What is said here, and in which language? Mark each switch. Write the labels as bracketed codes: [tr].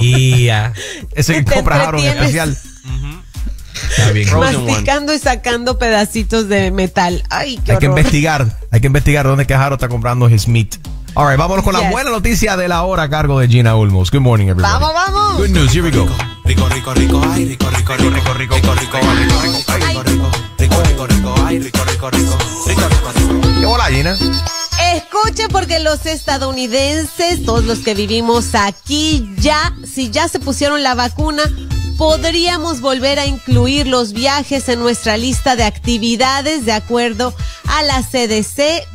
[es] Ese que compra Jaro en especial. Está bien. Masticando y sacando pedacitos de metal. Ay, qué horror. Hay que investigar dónde que Jaro está comprando [en] his meat. All right, [es] vámonos con la buena noticia de la hora a cargo de Gina Ulmos. [en] Good morning, everybody. [es] Vamos, vamos. [en] Good news, here we go. [es] Rico, rico, rico, ay, rico, rico, rico, rico, rico, rico, rico, rico, rico, rico, rico, rico, rico, rico, rico, rico, rico, rico, rico, rico, rico, rico, rico, rico, rico, rico. Escuche, porque los estadounidenses, todos los que vivimos aquí, ya, si ya se pusieron la vacuna, podríamos volver a incluir los viajes en nuestra lista de actividades de acuerdo a la CDC.